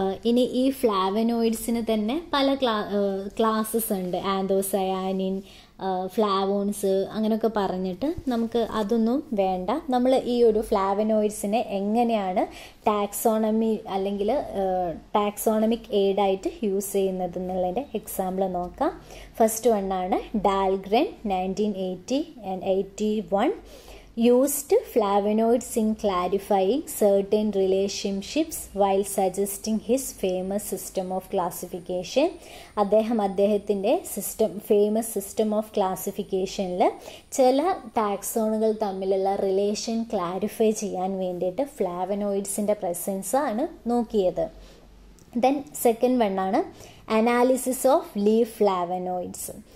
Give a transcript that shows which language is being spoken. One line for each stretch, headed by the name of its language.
Malayalam: ഇനി ഈ ഫ്ലാവനോയിഡ്സിന് തന്നെ പല ക്ലാസസ് ഉണ്ട്, ആന്തോസയാനിൻ, ഫ്ലാവോൺസ് അങ്ങനെയൊക്കെ പറഞ്ഞിട്ട് നമുക്ക് അതൊന്നും വേണ്ട. നമ്മൾ ഈ ഒരു ഫ്ലാവനോയിഡ്സിനെ എങ്ങനെയാണ് ടാക്സോണമി അല്ലെങ്കിൽ ടാക്സോണമിക് എയ്ഡായിട്ട് യൂസ് ചെയ്യുന്നത് എന്നുള്ളതിൻ്റെ എക്സാമ്പിൾ നോക്കാം.
English: First വണ്ണാണ് Dahlgren 1980 and 81 used flavonoids in clarifying certain relationships while suggesting his famous system of classification.
Malayalam: അദ്ദേഹത്തിൻ്റെ സിസ്റ്റം ഫേമസ് സിസ്റ്റം ഓഫ് ക്ലാസിഫിക്കേഷനിൽ ചില ടാക്സോണുകൾ തമ്മിലുള്ള റിലേഷൻ ക്ലാരിഫൈ ചെയ്യാൻ വേണ്ടിയിട്ട് ഫ്ലാവനോയിഡ്സിൻ്റെ പ്രസൻസാണ് നോക്കിയത്.
English: Then second വണ്ണാണ് analysis of leaf flavonoids.